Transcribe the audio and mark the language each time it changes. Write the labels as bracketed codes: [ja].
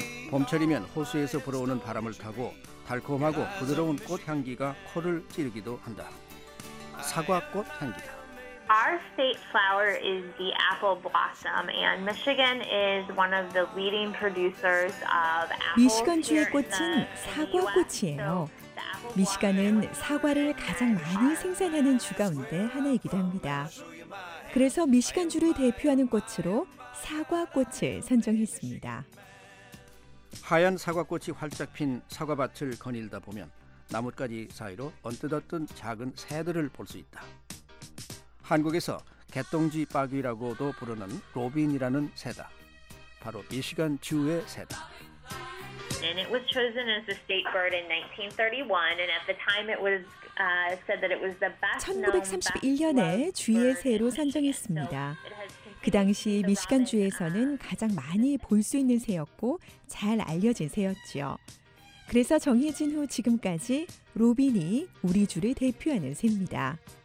[ko] 봄철이면 호수에서 불어오는 바람을 타고 달콤하고 부드러운 꽃 향기가 코를 찌르기도 한다. 사과꽃 향기다. [en] Our state flower is the apple blossom, and Michigan is one of the leading producers of apples. [ko] 미시간주의 꽃은 사과꽃이에요. 미시간은 사과를 가장 많이 생산하는 주 가운데 하나이기도 합니다. 그래서 미시간주를 대표하는 꽃으로 사과꽃을 선정했습니다. 하얀 사과꽃이 활짝 핀 사과밭을 거닐다 보면 나뭇가지 사이로 언뜻없던 작은 새들을 볼 수 있다. 한국에서 개똥쥐 빠귀라고도 부르는 로빈이라는 새다. 바로 미시간 주의 새다. [en] And it was chosen as the state bird in 1931, and at the time it was said that it was the best known bird. [ko] 1931년에 주의 새로 선정했습니다. 그 당시 미시간 주에서는 가장 많이 볼 수 있는 새였고 잘 알려진 새였지요. 그래서 정해진 후 지금까지 로빈이 우리 주를 대표하는 새입니다.